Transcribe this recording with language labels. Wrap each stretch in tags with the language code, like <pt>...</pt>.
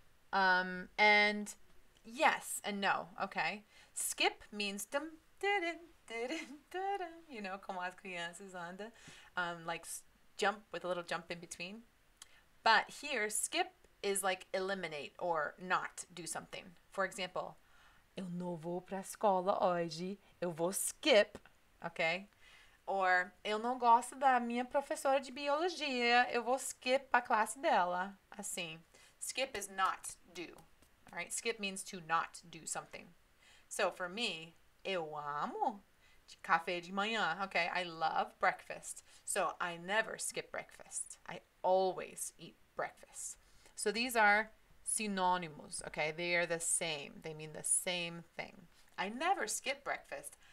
<en>And yes and no, okay. Skip means dum didin didin didin, you know,</en> <pt>como as crianças anda,</pt> <en>like jump with a little jump in between. But here, skip is like eliminate or not do something. For example,</en> <pt>eu não vou para a escola hoje, eu vou skip,</pt> <en>okay?</en> <pt>Or eu não gosto da minha professora de biologia, eu vou skip a classe dela.</pt> <en>Assim, skip is not do. All right, skip means to not do something. So for me,</en> <pt>eu amo café de manhã.</pt> <en>Okay, I love breakfast. So I never skip breakfast. I always eat breakfast. So these are synonymous. Okay, they are the same. They mean the same thing. I never skip breakfast.</en>